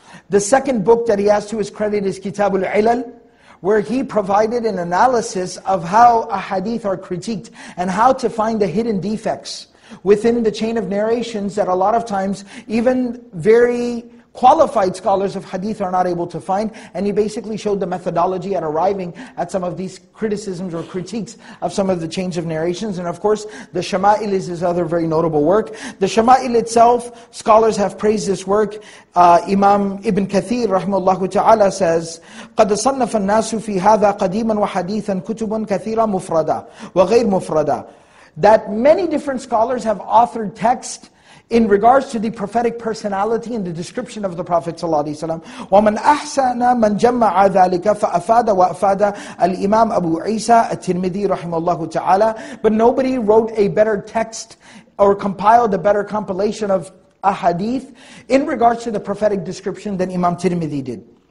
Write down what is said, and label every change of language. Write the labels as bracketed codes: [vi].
[en] The second book that he has to his credit is Kitab al-Ilal, where he provided an analysis of how a hadith are critiqued, and how to find the hidden defects within the chain of narrations that a lot of times, even very qualified scholars of hadith are not able to find, and he basically showed the methodology at arriving at some of these criticisms or critiques of some of the chains of narrations. And of course, the Shama'il is his other very notable work. The Shama'il itself, scholars have praised this work. [ar] Imam Ibn Kathir rahimahullah ta'ala says, قَدْ صَنَّفَ النَّاسُ فِي هَذَا قَدِيمًا وَحَدِيثًا كُتُبٌ كَثِيرًا مُفْرَدًا وَغَيْرْ مُفْرَدًا. [en] That many different scholars have authored text in regards to the prophetic personality and the description of the Prophet ﷺ. [ar] وَمَنْ أَحْسَنَ مَنْ جَمَّعَ ذَلِكَ فَأَفَادَ وَأَفَادَ الْإِمَامُ أَبُو عِيسَى التِّرْمِذِي رَحِمَ اللَّهُ تَعَالَى. [en] But nobody wrote a better text or compiled a better compilation of a hadith in regards to the prophetic description than Imam Tirmidhi did.